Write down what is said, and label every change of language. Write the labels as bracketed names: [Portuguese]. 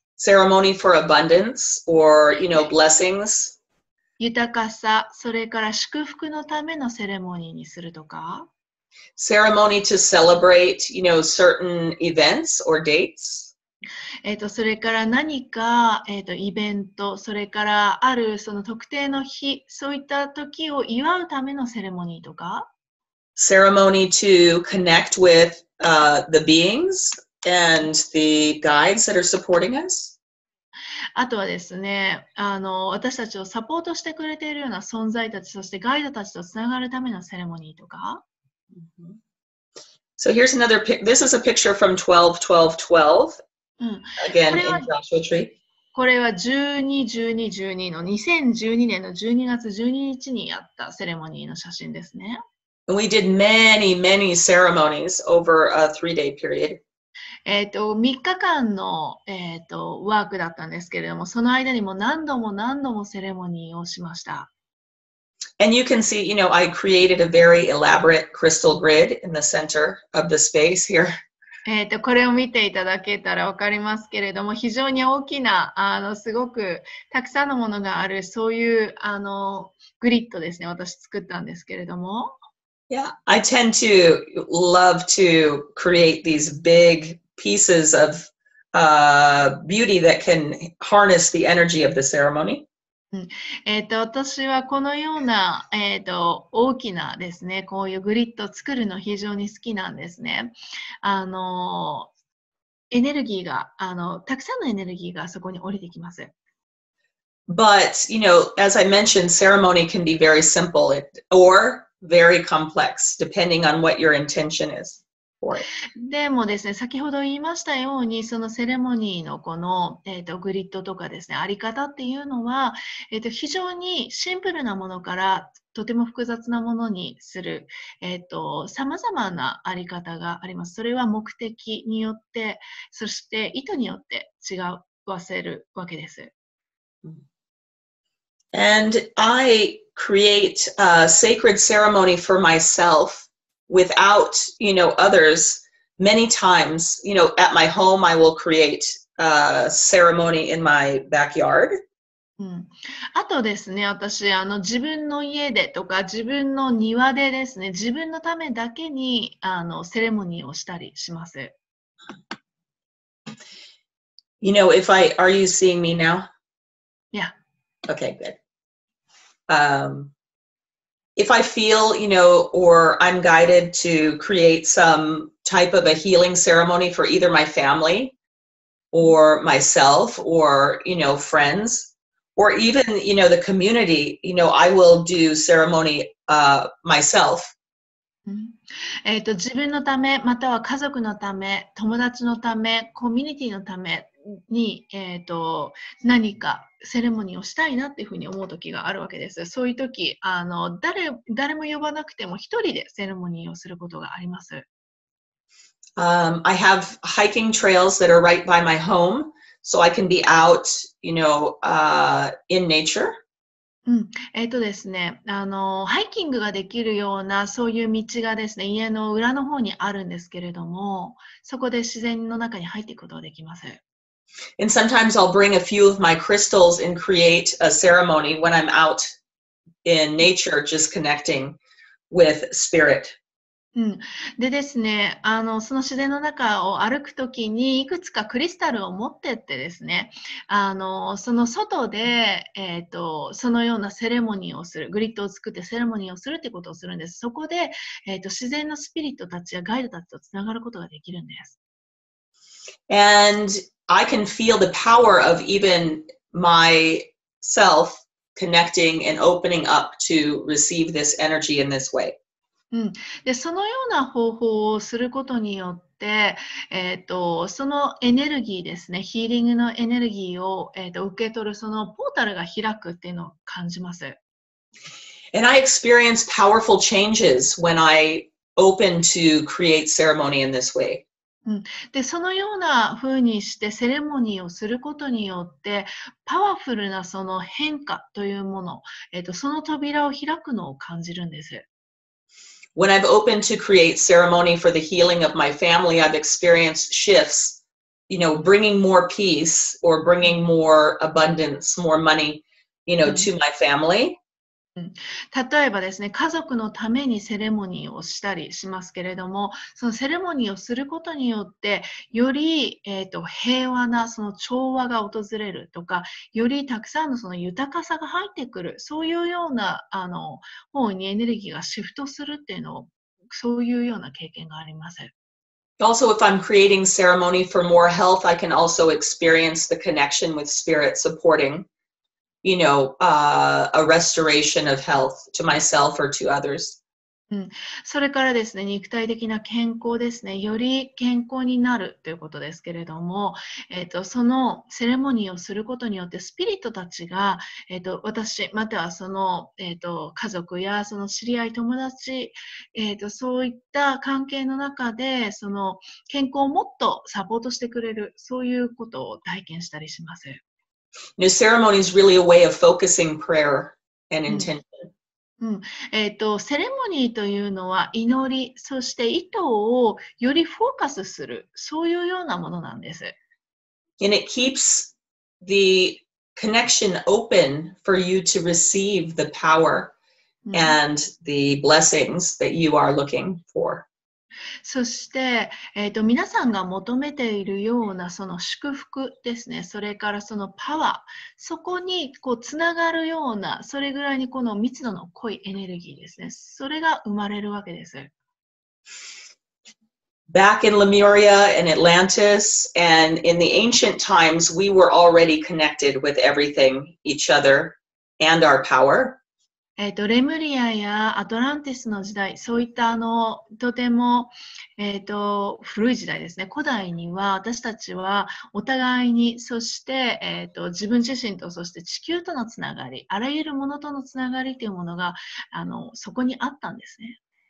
[English] ceremony for abundance or, you know, blessings. [Japanese] 豊かさ、それから祝福のためのセレモニーにするとか、 [English] ceremony to celebrate, you know, certain events or dates. [Japanese] それから何か、イベント、それからあるその特定の日、そういった時を祝うためのセレモニーとか。 [English] ceremony to connect with, the beings and the guides that are supporting us. [Japanese] あとはですね、私たちをサポートしてくれているような存在たち、そしてガイドたちとつながるためのセレモニーとか。 [English] So here's another this is a picture from 12-12-12、うん、 again in Joshua Tree. [Japanese] これは12-12-12の2012年の12月12日にやったセレモニーの写真ですね。 [English] We did many, many ceremonies over a three-day period. [Japanese] 3日間の、ワークだったんですけれども、その間にも何度も何度もセレモニーをしました。 [English] And you can see, you know, I created a very elaborate crystal grid in the center of the space here. [Japanese] これを見ていただけたらわかりますけれども、非常に大きな、すごくたくさんのものがある、そういう、グリッドですね、私作ったんですけれども。 [English] Yeah, I tend to love to create these big pieces of, beauty that can harness the energy of the ceremony. [Japanese] うん私はこのような、大きなですね、こういうグリッドを作るの非常に好きなんですね。エネルギーが、たくさんのエネルギーがそこに降りてきます。 [English] But, you know, as I mentioned, ceremony can be very simple or very complex, depending on what your intention is. [Japanese] でもですね、先ほど言いましたように、そのセレモニーのこの、グリッドとかですね、あり方っていうのは、非常にシンプルなものからとても複雑なものにする、さまざまなあり方があります。それは目的によって、そして意図によって違わせるわけです。 [English] And I create a sacred ceremony for myself. Without, you know, others, many times, you know, at my home, I will create a ceremony in my backyard. [Japanese] あとですね、私、自分の家でとか、自分の庭でですね、自分のためだけに、セレモニーをしたりします。 [English] You know, if I, are you seeing me now? Yeah. Okay, good. If I feel, you know, or I'm guided to create some type of a healing ceremony for either my family or myself or, you know, friends or even, you know, the community, you know, I will do ceremony myself. [Japanese] 自分のため、または家族のため、友達のため、コミュニティのために、何かセレモニーをしたいなっていうふうに思う時があるわけです。そういう時、誰も呼ばなくても一人でセレモニーをすることがあります。 [English] I have hiking trails that are right by my home, so I can be out, you know, in nature. [Japanese] うん、ですね、ハイキングができるようなそういう道がですね、家の裏の方にあるんですけれども、そこで自然の中に入っていくことができます。 [English] And sometimes I'll bring a few of my crystals and create a ceremony when I'm out in nature, just connecting with spirit. [Japanese] うん、でですね、その自然の中を歩くときに、いくつかクリスタルを持ってってですね、その外で、そのようなセレモニーをする、グリッドを作ってセレモニーをするってことをするんです。そこで、自然のスピリットたちやガイドたちとつながることができるんです。 [English] And I can feel the power of even myself connecting and opening up to receive this energy in this way. [Japanese] で、そのような方法をすることによって、そのエネルギーですね、ヒーリングのエネルギーを、受け取るそのポータルが開くっていうのを感じます。 [English] And I experience powerful changes when I open to create ceremony in this way. [Japanese] で、そのような風にしてセレモニーをすることによって、パワフルなその変化というもの、その扉を開くのを感じるんです。 [English] When I've opened to create ceremony for the healing of my family, I've experienced shifts, you know, bringing more peace or bringing more abundance, more money, you know, to my family. [Japanese] 例えばですね、家族のためにセレモニーをしたりしますけれども、そのセレモニーをすることによって、より、平和なその調和が訪れるとか、よりたくさんのその豊かさが入ってくる、そういうような方にエネルギーがシフトするっていうのを、そういうような経験があります。 [English] Also, if I'm creating ceremony for more health, I can also experience the connection with spirit supporting. You know, a restoration of health to myself or to others. [Japanese] それからですね、肉体的な健康ですね、より健康になるということですけれども、そのセレモニーをすることによって、スピリットたちが、私、またはその、家族やその知り合い、友達、そういった関係の中で、その健康をもっとサポートしてくれる、そういうことを体験したりします。 [English] The ceremony is really a way of focusing prayer and intention. [Japanese] セレモニーというのは祈り、そして意図をよりフォーカスする、そういうようなものなんです。 [English] And it keeps the connection open for you to receive the power and the blessings that you are looking for. [Japanese] そして、皆さんが求めているようなその祝福ですね、それからそのパワー、そこにこうつながるような、それぐらいにこの密度の濃いエネルギーですね、それが生まれるわけです。 [English] Back in Lemuria and Atlantis, and in the ancient times, we were already connected with everything, each other, and our power. [Japanese] レムリアやアトランティスの時代、そういったとても、古い時代ですね、古代には私たちはお互いに、そして、自分自身と、そして地球とのつながり、あらゆるものとのつながりというものがそこにあったんですね。